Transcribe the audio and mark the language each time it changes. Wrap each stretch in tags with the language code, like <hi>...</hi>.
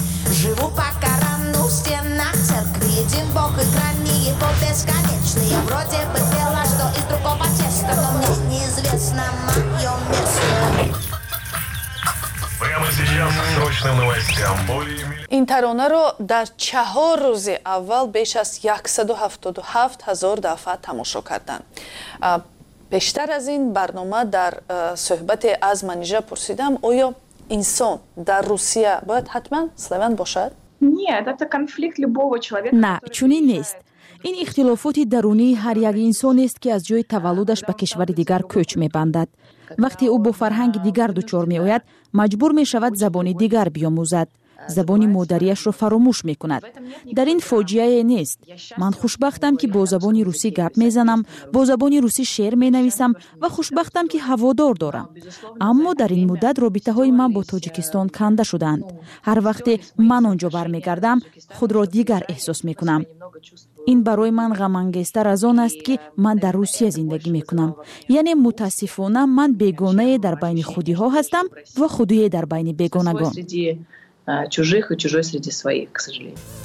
<ru>Живу по Корану в стенах церкви Един Бог и храни его бесконечный Я вроде бы пела, что из другого теста Но мне неизвестно мое место Прямо сейчас к срочным новостям более...</ru> <fa>این ترانه رو در چهار روز اول بیش از 177 هزار دفعه تماشا کردن. بیشتر از این برنامه در صحبت از منیجه پرسیدم آیا انسان در روسیه باید حتما سلاویان باشد؟ نه، چونین نیست. این اختلافات درونی هر یک انسان است که از جای تولدش به کشور دیگر کوچ می بندد. وقتی او با فرهنگ دیگر دچار می آید، مجبور می شود زبان دیگر بیاموزد. زبان مادریش را فراموش می کند. در این فاجعه نیست. من خوشبختم که با زبان روسی گپ می زنم، با زبان روسی شعر می نویسم و خوشبختم که هوادار دارم. اما در این مدت رابطه های من با تاجیکستان کنده شدند. هر وقت من آنجا برمی گردم، خود را دیگر احساس می کنم. این برای من غم‌انگیزتر از آن است که من در روسیه زندگی می کنم. یعنی متاسفانه من بیگانه در بین خودی ها هستم و خودی در بین بیگانگان.</fa> <ru>чужих и чужой среди своих, к сожалению.</ru>